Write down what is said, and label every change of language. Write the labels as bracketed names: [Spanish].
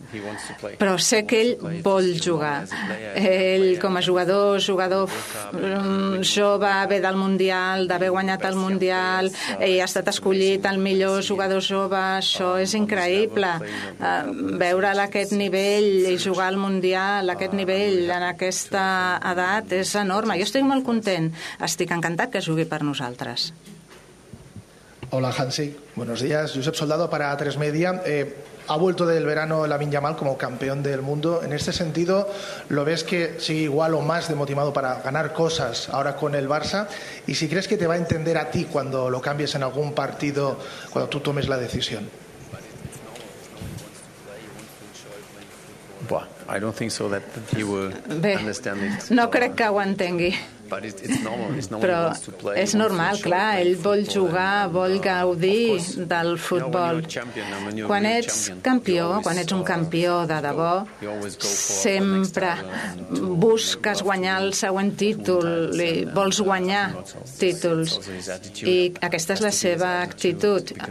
[Catalan] Però sé que ell vol jugar. Ell, com a jugador jove, ve del Mundial, d'haver guanyat el Mundial, i ha estat escollit el millor jugador jove. Això és increïble. Veure'l a aquest nivell i jugar al Mundial, a aquest nivell, en aquesta edat, és enorme. Jo estic molt content. Estic encantat que jugui per nosaltres. [Spanish] Hola, Hansi. Buenos días. Josep Soldado, para Tres Media. Ha vuelto del verano Lamine Yamal como campeón del mundo. En este sentido, ¿lo ves que sigue igual o más demotivado para ganar cosas ahora con el Barça? ¿Y si crees que te va a entender a ti cuando lo cambies en algún partido, cuando tú tomes la decisión? [English] I don't think so that he will understand it. [Catalan] No crec que ho entengui. Però és normal, clar, ell vol jugar, vol gaudir del futbol. Quan ets campió, quan ets un campió de debò, sempre busques guanyar el següent títol, i vols guanyar títols, i aquesta és la seva actitud.